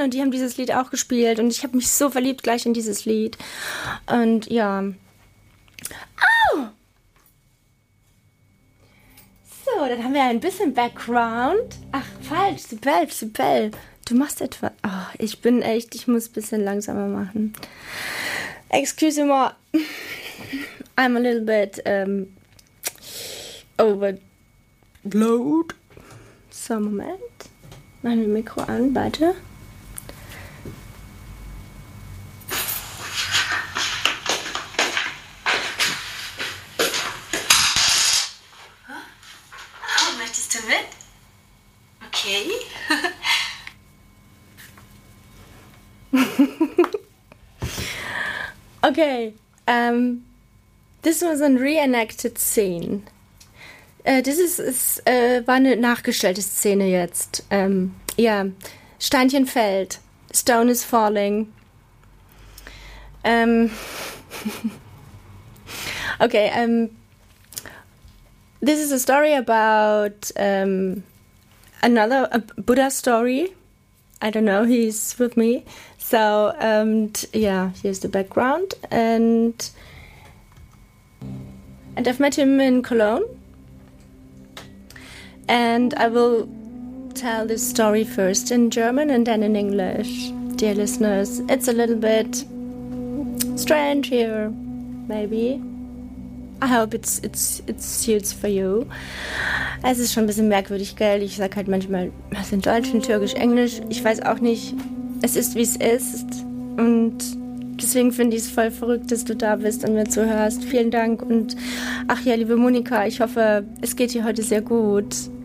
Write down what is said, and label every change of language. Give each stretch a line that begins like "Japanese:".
German: Und die haben dieses Lied auch gespielt. Und ich habe mich so verliebt gleich in dieses Lied. Und ja. So, dann haben wir ein bisschen Background. Ach, falsch, Sibel. Du machst etwas. Oh, ich bin echt, ich muss ein bisschen langsamer machen.
English: Excuse me. I'm a little bit overload.
German: So, Moment. Machen wir Mikro an, warte.
English: Okay, this was a reenacted scene.
German: War eine nachgestellte Szene jetzt. Ja, Steinchen fällt.
English: Stone is falling. okay, this is a story about another Buddha story. I don't know, he's with me. So, yeah, here's the background, and I've met him in Cologne, and I will tell this story first in German and then in English. Dear listeners, it's a little bit strange here, maybe. I hope it's suits for you.
German: Es ist schon ein bisschen merkwürdig, gell? Ich sag halt manchmal was in Deutsch, in Türkisch, Englisch, ich weiß auch nicht. Es ist, wie es ist. Und deswegen finde ich es voll verrückt, dass du da bist und mir zuhörst. Vielen Dank. Und ach ja, liebe Monika, ich hoffe, es geht dir heute sehr gut.